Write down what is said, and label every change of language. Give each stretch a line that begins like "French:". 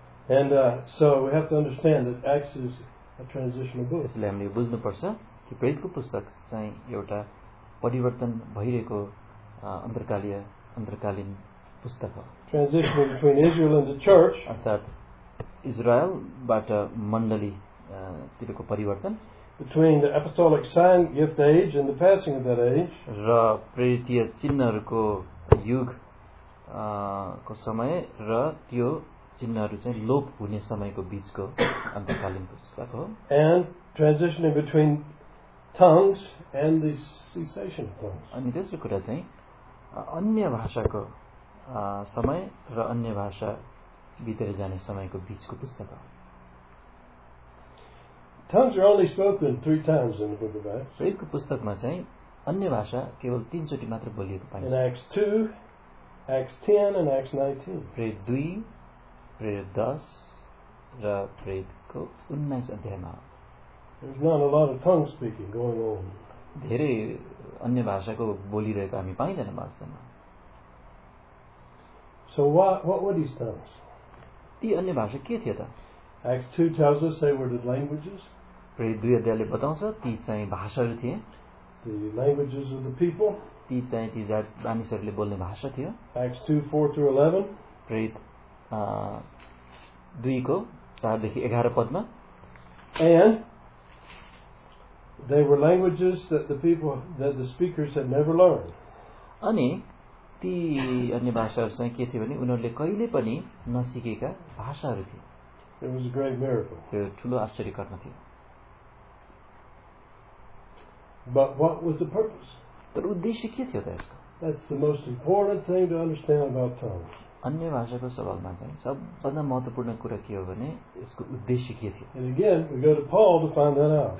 English: And so we have to understand that Acts is a transitional book.
Nepali: यसले हामीले बुझ्नु पर्छ कि प्रेरितको पुस्तक चाहिँ एउटा परिवर्तन भइरहेको अन्तरकालीन पुस्तक हो.
English: Transitional between Israel and the church.
Nepali: अर्थात् इजरायलबाट मण्डली तिरको परिवर्तन.
English: Between the apostolic sign gift age and the passing of that age.
Nepali: र प्रेरितीय चिन्हहरूको युग को समय र त्यो चिन्हहरू चाहिँ लोप हुने समयको बीचको अन्तकालीन पुस्तक हो.
English: And transitioning between tongues and the cessation of tongues.
Nepali: अनि त्यसको कुरा चाहिँ अन्य भाषाको समय र अन्य भाषा बितेर जाने समयको बीचको पुस्तक हो.
English: Tongues are only spoken 3 times in the book of Acts.
Nepali: प्रेरितको पुस्तकमा चाहिँ अन्य भाषा केवल 3 चोटि मात्र बोलिएको पाइन्छ.
English: In Acts 2, Acts 10 and Acts 19.
Nepali: प्रेरित 2 प्रेरित 10 र प्रेरितको 19 अध्यायमा
English: There's not a lot of tongue speaking going on.
Nepali: धेरै अन्य भाषाको बोलिरहेको हामी पाइँदैन वास्तवमा.
English: So what were these tongues?
Nepali: ती अन्य भाषा के थिए त?
English: Acts 2 tells us they were the languages.
Nepali: प्रेरित 2 अध्यायले बताउँछ ती चाहिँ भाषाहरू थिए.
English: The languages of the people.
Nepali: ती चाहिँ ती मानिसहरूले बोल्ने भाषा थियो.
English: Acts 2 4-11.
Nepali: प्रेरित 2 को 4 देखि 11 पदमा.
English: And they were languages that the people that the speakers had never learned.
Nepali: अनि ती अन्य भाषाहरू चाहिँ के थियो भने उनीहरूले कहिले पनि नसिकेका भाषाहरू थिए.
English: It was a great miracle.
Nepali: त्यो ठूलो आश्चर्य गर्न थियो.
English: But what was the purpose?
Nepali: तर उद्देश्य के थियो त यसको?
English: That's the most important thing to understand about tongues.
Nepali: अन्य भाषाको सवालमा चाहिँ सबभन्दा महत्त्वपूर्ण कुरा के हो भने यसको उद्देश्य के थियो.
English: And again, we go to Paul to find that out.